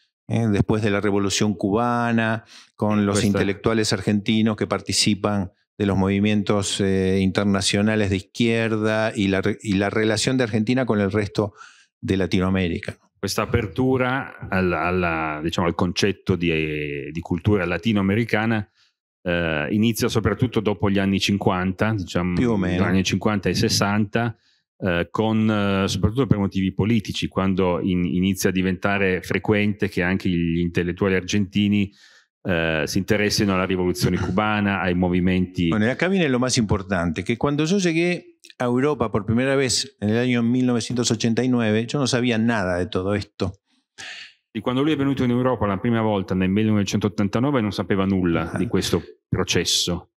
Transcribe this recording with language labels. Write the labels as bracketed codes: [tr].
[es] Después de la Revolución Cubana, con los intelectuales argentinos que participan de los movimientos internacionales de izquierda y la relación de Argentina con el resto de Latinoamérica. Esta apertura al concepto de cultura latinoamericana inicia sobre todo después de los años 50, los años 50 y 60, con [it] soprattutto per motivi politici, quando inizia a diventare frequente che anche gli intellettuali argentini si interessino alla rivoluzione cubana, ai movimenti. [es] Bueno, acá viene lo más importante, que cuando yo llegué a Europa por primera vez en el año 1989, yo no sabía nada de todo esto. Y cuando [it] lui è venuto in Europa la prima volta nel 1989 non sapeva nulla di questo processo.